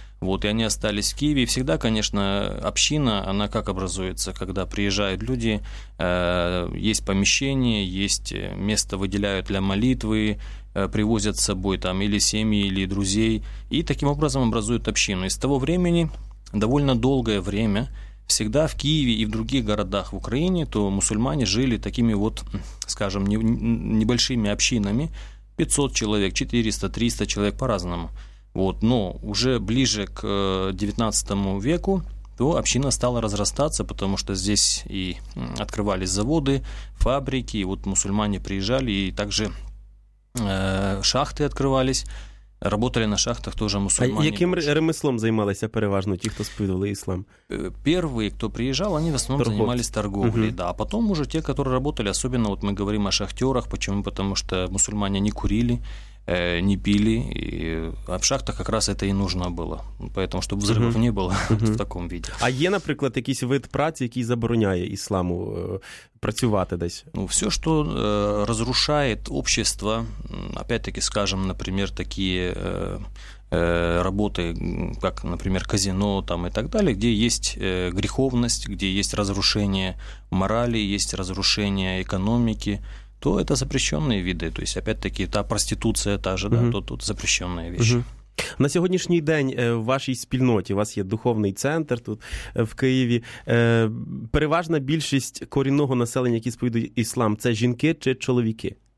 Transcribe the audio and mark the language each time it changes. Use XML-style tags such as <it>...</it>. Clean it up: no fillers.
<uk>Вот, і вони залишились в Києві. Завжди, звісно, община, вона як образується, коли приїжджають люди, є поміщення, є місце виділяють для молитви, привозять з собою там або сім'ї, або друзів, і таким образом образують общину. І з того часу, доволі довгий час, завжди в Києві і в інших містах в Україні, то мусульмани жили такими, от, скажімо,</uk> <ru>небольшими общинами,</ru> <uk>500 чоловік, 400, 300 чоловік,</uk> <ru>по-разному. Вот, но уже ближе к 19 веку, то община стала разрастаться, потому что здесь и открывались заводы, фабрики, и вот мусульмане приезжали, и также шахты открывались. Работали на шахтах тоже мусульмане.</ru> <uk>А яким ремеслом займалися переважно ті, хто сповідували іслам?</uk> <ru>Первые, кто приезжал, они в основном занимались торговлей, да. А потом уже те, которые работали, особенно вот мы говорим о шахтерах, почему? Потому что мусульмане не курили, не пили, и в шахтах как раз это и нужно было, поэтому, чтобы взрывов не было в таком виде.</ru> <uk>А є, наприклад, якийсь вид праці, який забороняє ісламу працювати десь?</uk> <ru>Ну, все, что разрушает общество, опять-таки, скажем, например, такие работы, как, например, казино там, и так далее, где есть греховность, где есть разрушение морали, есть разрушение экономики, то это запрещенные виды. То есть, опять-таки, та проституция та же, да, то тут запрещенная вещь.</ru> <uk>На сьогоднішній день в вашій спільноті, у вас є духовний центр тут в Києві, переважна більшість корінного населення, які сповідують іслам, це жінки чи чоловіки?</uk>